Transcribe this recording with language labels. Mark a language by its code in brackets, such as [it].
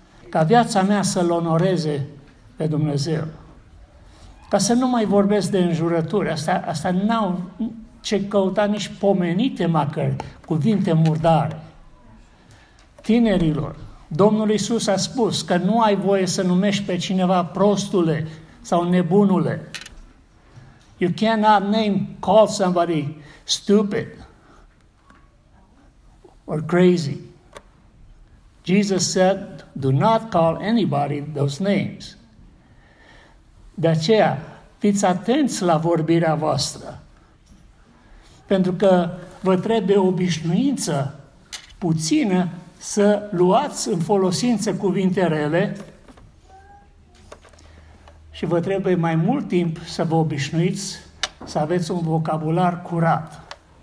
[ro] Ca viața mea să-L onoreze pe Dumnezeu. Ca să nu mai vorbesc de înjurături, astea n-au ce căuta nici pomenite măcar cuvinte murdare. Tinerilor, Domnul Iisus a spus că nu ai voie să numești pe cineva prostule sau nebunule. [en] You cannot name call somebody stupid or crazy. Jesus said, do not call anybody those names. [ro] De aceea, fiți atenți la vorbirea voastră, pentru că vă trebuie obișnuință puțină să luați în folosință cuvinte rele și vă trebuie mai mult timp să vă obișnuiți să aveți un vocabular curat.